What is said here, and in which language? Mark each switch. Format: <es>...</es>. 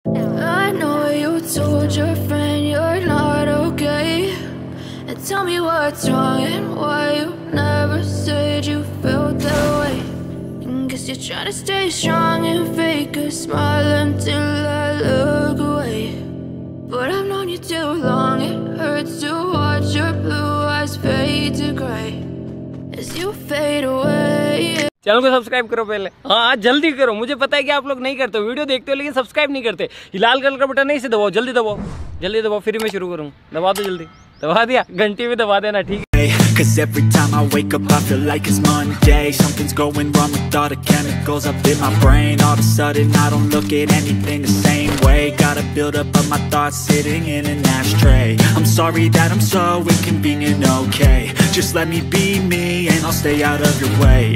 <en>I know you told your friend you're not okay, and tell me what's wrong and why you never said you felt that way. And guess you're trying to stay strong and fake a smile until I look away. But I've known you too long, it hurts to watch your blue eyes fade to gray as you fade away.</en> <hi>Channel को subscribe करो पहले, हाँ जल्दी करो, मुझे पता है कि आप लोग नहीं करते हो, वीडियो देखते हो लेकिन सब्सक्राइब नहीं करते, लाल कलर का बटन नहीं से दबाओ, जल्दी दबाओ, जल्दी दबाओ, फिर मैं शुरू करूँ, दबा दो जल्दी, दबा दिया, घंटी भी दबा देना, ठीक है.</hi> <en>Cause every time I wake up I feel like it's Monday. Something's going wrong with all the chemicals up in my brain. All of a sudden I don't look at anything the same way. Gotta build up of my thoughts sitting in an ashtray. I'm sorry that I'm so inconvenient, okay. Just let me be me and I'll stay out of your way.</en>